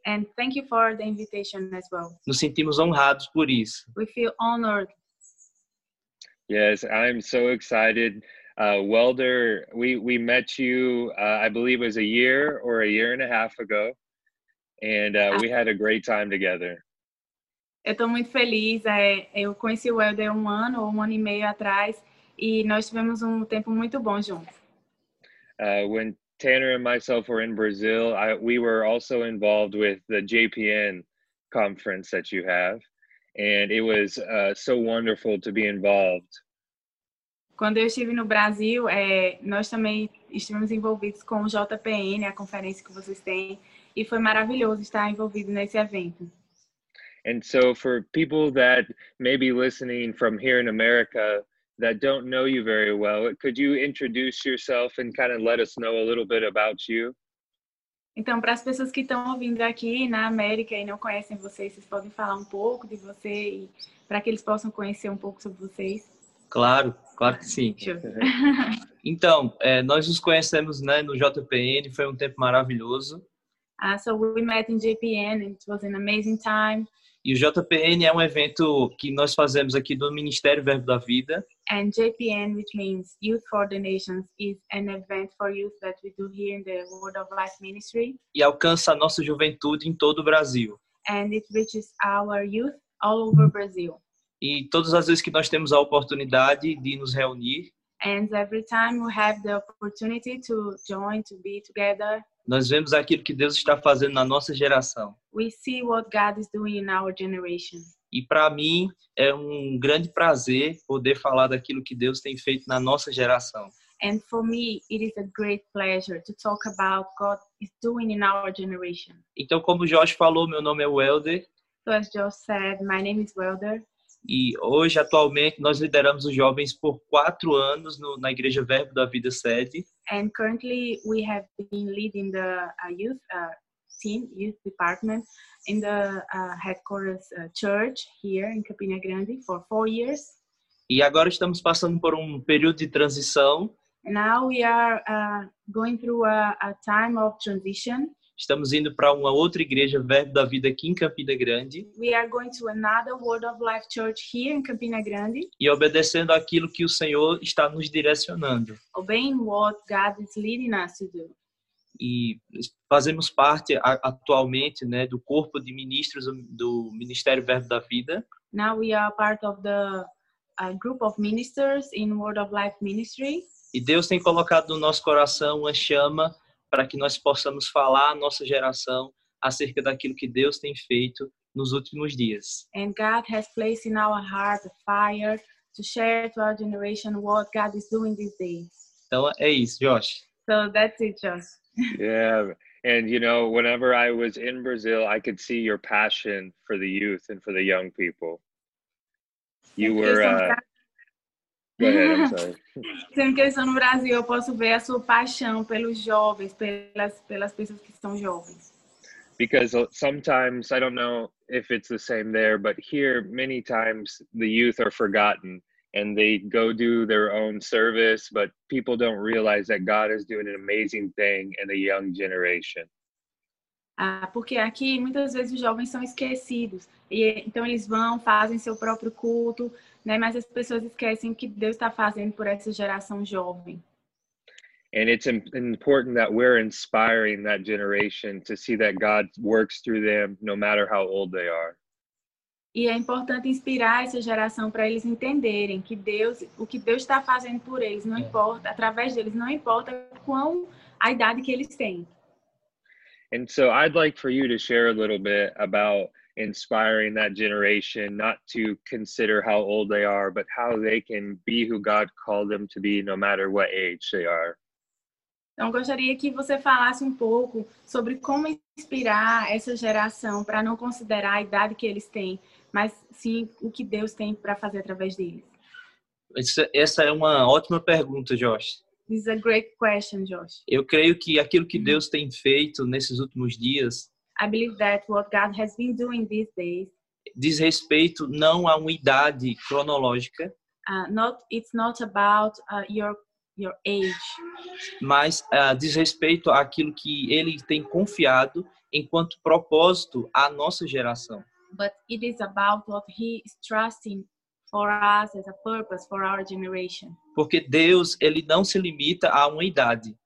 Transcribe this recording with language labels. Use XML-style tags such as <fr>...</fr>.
<en>And thank you for the invitation as well.</en> <pt>Nos sentimos honrados por isso.</pt> <en>We feel honored. Yes, I'm so excited. Welder, we met you, I believe it was a year or a year and a half ago. And we had a great time together.</en> <pt>Eu tô muito feliz. Eu conheci o Welder um ano e meio atrás. E nós tivemos tempo muito bom juntos.</pt> <en>When Tanner and myself were in Brazil. We were also involved with the JPN conference that you have. And it was so wonderful to be involved.</en> <pt>Quando eu estive no Brasil, nós também estivemos envolvidos com o JPN, a conferência que vocês têm. E foi maravilhoso estar envolvido nesse evento.</pt> <en>And so for people that may be listening from here in America, that don't know you very well, could you introduce yourself and kind of let us know a little bit about you?</en> <pt>Então, para as pessoas que estão ouvindo aqui na América e não conhecem vocês, vocês podem falar um pouco de você e para que eles possam conhecer um pouco sobre vocês? Claro, claro que sim.</pt> <en>Sure.</en> <pt>Então, nós nos conhecemos, né, no JPN, foi um tempo maravilhoso.</pt> <en>So we met in JPN, it was an amazing time.</en> <pt>E o JPN é um evento que nós fazemos aqui do Ministério Verbo da Vida.</pt> <en>And JPN, which means Youth for the Nations, is an event for youth that we do here in the Word of Life Ministry.</en> <pt>E alcança a nossa juventude em todo o Brasil.</pt> <en>And it reaches our youth all over Brazil.</en> <pt>E todas as vezes que nós temos a oportunidade de nos reunir.</pt> <en>And every time we have the opportunity to join, to be together.</en> <pt>Nós vemos aquilo que Deus está fazendo na nossa geração.</pt> <en>We see what God is doing in our generation.</en> <pt>E para mim é um grande prazer poder falar daquilo que Deus tem feito na nossa geração.</pt> <en>And for me, it is a great pleasure to talk about what God is doing in our generation.</en> <pt>Então, como o Josh falou, meu nome é Welder.</pt> <en>So as Josh said, my name is Welder.</en> <pt>E hoje, atualmente, nós lideramos os jovens por 4 anos na Igreja Verbo da Vida Sede.</pt> <en>And currently, we have been leading the youth team, youth department, in the headquarters church here in Campina Grande for 4 years.</en> <pt>E agora estamos passando por um período de transição.</pt> <en>And now we are going through a time of transition.</en> <pt>Estamos indo para uma outra igreja Verbo da Vida aqui em Campina Grande.</pt> <en>We are going to another Word of Life Church here in Campina Grande.</en> <pt>E obedecendo aquilo que o Senhor está nos direcionando.</pt> <en>Obeying what God is leading us to do.</en> <pt>E fazemos parte atualmente, né, do corpo de ministros do Ministério Verbo da Vida.</pt> <en>Now we are part of the group of ministers in Word of Life Ministry.</en> <pt>E Deus tem colocado no nosso coração uma chama para que nós possamos falar à nossa geração acerca daquilo que Deus tem feito nos últimos dias.</pt> <en>And God has placed in our heart a fire to share to our generation what God is doing these days.</en> <pt>Então é isso, Josh.</pt> <en>So that's it, Josh. Yeah, and you know, whenever I was in Brazil, I could see your passion for the youth and for the young people. You were</en> <pt>Sendo que eu estou no Brasil, eu posso ver a sua paixão pelos jovens, pelas pessoas que são jovens.</pt> <en>Because sometimes, I don't know if it's the same there, but here, many times, the youth are forgotten. And they go do their own service, but people don't realize that God is doing an amazing thing in the young generation.</en> <pt>Porque aqui, muitas vezes, os jovens são esquecidos. E então, eles vão, fazem seu próprio culto. Mas as pessoas esquecem o que Deus está fazendo por essa geração jovem.</pt> <en>And it's important that we're inspiring that generation to see that God works through them, no matter how old they are.</en> <pt>E é importante inspirar essa geração para eles entenderem que Deus, o que Deus está fazendo por eles, não importa, através deles, não importa qual a idade que eles têm.</pt> <en>And so I'd like for you to share a little bit about inspiring that generation, not to consider how old they are, but how they can be who God called them to be, no matter what age they are.</en> <pt>Então, gostaria que você falasse um pouco sobre como inspirar essa geração para não considerar a idade que eles têm, mas sim o que Deus tem para fazer através deles. Essa é uma ótima pergunta, Josh.</pt> <en>This is a great question, Josh.</en> <pt>Eu creio que aquilo que Deus tem feito nesses últimos dias,</pt> <en>I believe that what God has been doing these days,</en> <pt>diz respeito não a uma idade cronológica,</pt> <en>it's not about your age,</en> <pt>mas diz respeito àquilo que ele tem confiado enquanto propósito à nossa geração.</pt> <en>But it is about what he is trusting for us as a purpose for our generation.</en> <pt>Porque Deus, ele não se limita a uma idade.</pt>